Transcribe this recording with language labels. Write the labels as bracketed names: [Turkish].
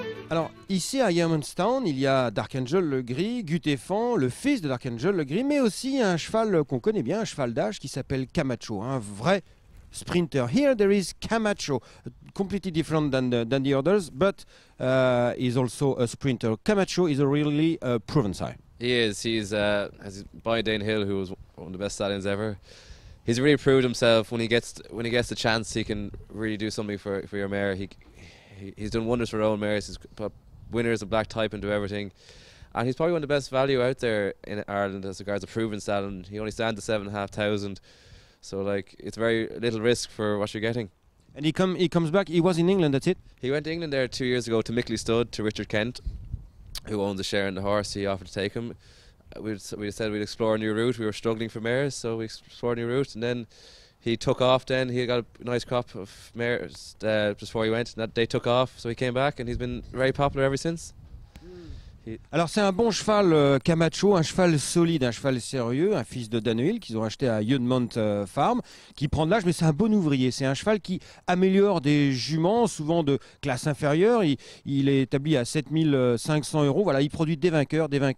[French] Alors, ici à Yeomanstown, il y a Dark Angel le Gris, Gutefan, le fils de Dark Angel le Gris, mais aussi un cheval qu'on connaît bien, un cheval d'âge qui s'appelle Camacho, un vrai sprinter. [English] Here there is Camacho, completely different than the others, but he's also a sprinter. Camacho is a really proven sire. He is. He's by Danehill, who was one of the best stallions ever. He's really proved himself. When he gets the chance, he can really do something for your mare. He's done wonders for Owen Mares. He's put winners of black type into everything. And he's probably one of the best value out there in Ireland as regards a proven stallion. He only stands at 7,500. So, like, it's very little risk for what you're getting. And he comes back. He was in England, that's it? He went to England there 2 years ago to Mickley Stud, to Richard Kent, who owns a share in the horse. He offered to take him. We said we'd explore a new route. We were struggling for mares, so we explored a new route. And then he took off then. He got a nice crop of mares just before he went. And that day took off, so he came back. And he's been very popular ever since. [French] Alors c'est un bon cheval Camacho, un cheval solide, un cheval sérieux, un fils de Danehill qu'ils ont acheté à Juddmonte Farms, qui prend de l'âge, mais c'est un bon ouvrier. C'est un cheval qui améliore des juments, souvent de classe inférieure. Il est établi à 7 500 €. Voilà, il produit des vainqueurs.